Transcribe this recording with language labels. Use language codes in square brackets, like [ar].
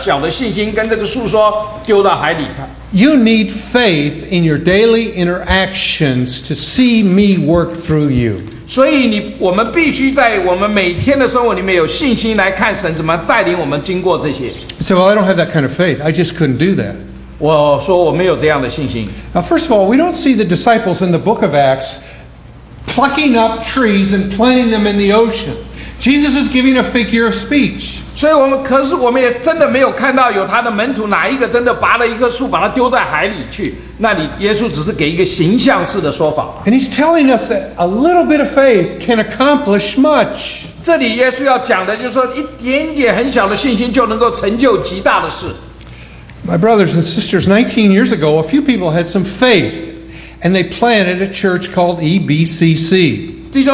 [zh] 所以耶稣在这里就讲到了说，你只要有像芥菜种一样小的信心，跟这个树说，丢到海里。 [en] You need faith in your daily interactions to see me work through you. [zh] 所以我们必须在我们每天的生活里面有信心来看神怎么带领我们经过这些。 [en] He said, well, I don't have that kind of faith. I just couldn't do that. [zh] 我说我没有这样的信心。 [en] Now, first of all, we don't see the disciples in the book of Acts plucking up trees and planting them in the ocean. Jesus is giving a figure of speech. [zh] 所以我们可是我们也真的没有看到有他的门徒哪一个真的拔了一棵树把它丢在海里去。那里耶稣只是给一个形象式的说法。And [en] he's telling us that a little bit of faith can accomplish much. [zh] 这里耶稣要讲的就是说，一点点很小的信心就能够成就极大的事。My [en] brothers and sisters, 19 years ago, a few people had some faith, and they planted a church called EBCC.